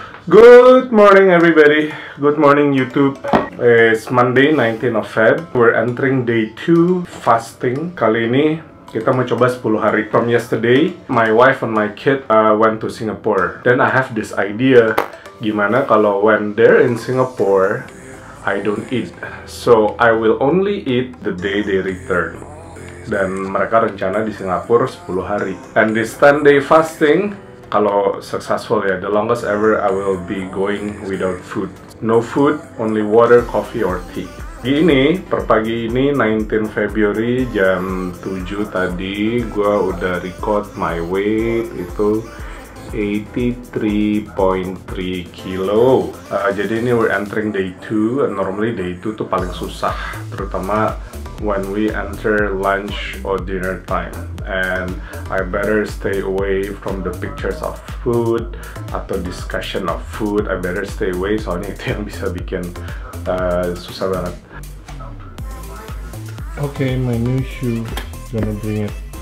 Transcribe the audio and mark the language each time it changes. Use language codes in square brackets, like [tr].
[en] Good morning, everybody. Good morning, YouTube. It's Monday, 19 of Feb. We're entering day 2 fasting. [id] Kali ini kita mau coba 10 hari. [en] From yesterday, my wife and my kid went to Singapore. Then I have this idea, [id] gimana kalau [en] when they're in Singapore, I don't eat. So I will only eat the day they return. [id] Dan mereka rencana di Singapura 10 hari. [en] And this 10-day fasting, kalau successful ya, the longest ever I will be going without food. No food, only water, coffee, or tea. [id] Gini, per pagi ini 19 February jam 7 tadi, gua udah record [en] my weight [id] itu 83.3 kilo. Jadi ini [en] we're entering day 2, and normally day 2 [id] tuh paling susah, terutama [en] when we enter lunch or dinner time. And I better stay away from the pictures of food atau discussion of food. I better stay away, [id] soalnya itu yang bisa bikin susah banget. [en] Okay, my new shoe, gonna bring it.